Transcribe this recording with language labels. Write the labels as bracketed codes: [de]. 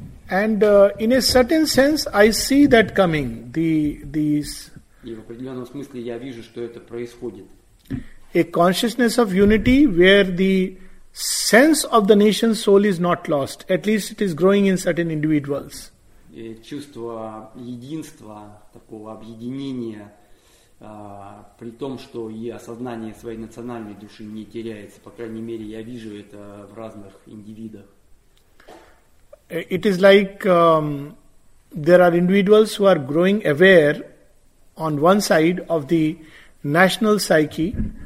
[en] And in a certain sense, I see that coming. [ru] И в определенном смысле я вижу, что это происходит. [en] A consciousness of unity where the sense of the nation's soul is not lost. At least it is growing in certain individuals. [ru] И чувство единства, такого объединения, при том, что и осознание своей национальной души не теряется. По крайней мере, я вижу это в разных индивидах. [en] It is like there are individuals who are growing aware on one side of the national psyche.